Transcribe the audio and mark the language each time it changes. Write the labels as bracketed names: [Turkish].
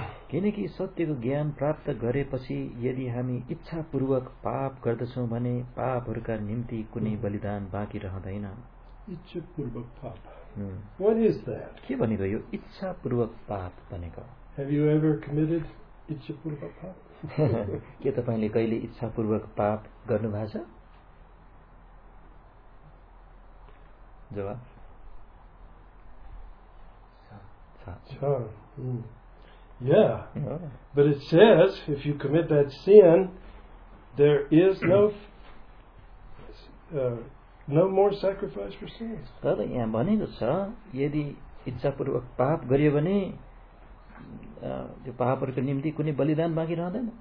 [Nepali] किनकि सत्यको ज्ञान प्राप्त गरेपछि यदि हामी इच्छापूर्वक पाप गर्दछौँ भने पापहरूका निम्ति कुनै बलिदान बाँकी रहँदैन. इच्छापूर्वक पाप. [English] What is that? [Nepali] के भनेको यो इच्छापूर्वक पाप भनेको? [English] Have you ever committed [Nepali] इच्छापूर्वक पाप? के तपाईँले कहिले इच्छापूर्वक पाप गर्नुभएको छ? जवाब छ. [English] Yeah. But it says if you commit that sin, there is no more sacrifice for sins. [Nepali] तर यहाँ भनेको छ यदि इच्छापूर्वक पाप गरियो भने त्यो पापहरूको निम्ति कुनै बलिदान बाँकी रहँदैन.